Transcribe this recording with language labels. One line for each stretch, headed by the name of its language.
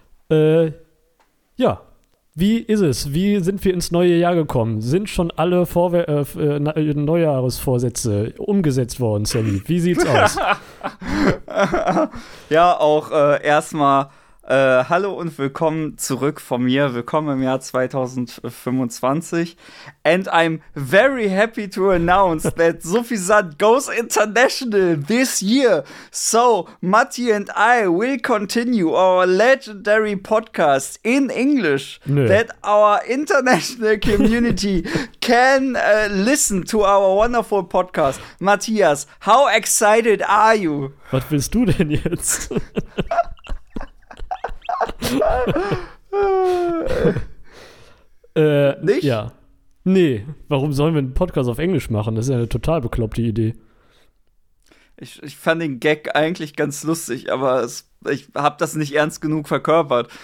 German: Ja, wie ist es? Wie sind wir ins neue Jahr gekommen? Sind schon alle Neujahresvorsätze umgesetzt worden, Sammy? Wie sieht's aus? Ja, auch erstmal hallo und willkommen zurück von mir. Willkommen im Jahr 2025.
English: And I'm very happy to announce that Suffisant goes international this year. So, Matti and I will continue our legendary podcast in English
German: Nö.
English: that our international community can listen to our wonderful podcast. Matthias, how excited are you?
German: Was willst du denn jetzt? Nicht? ja. Nee, warum sollen wir einen Podcast auf Englisch machen? Das ist ja eine total bekloppte Idee. Ich fand den Gag eigentlich ganz lustig, aber ich habe das nicht ernst genug verkörpert.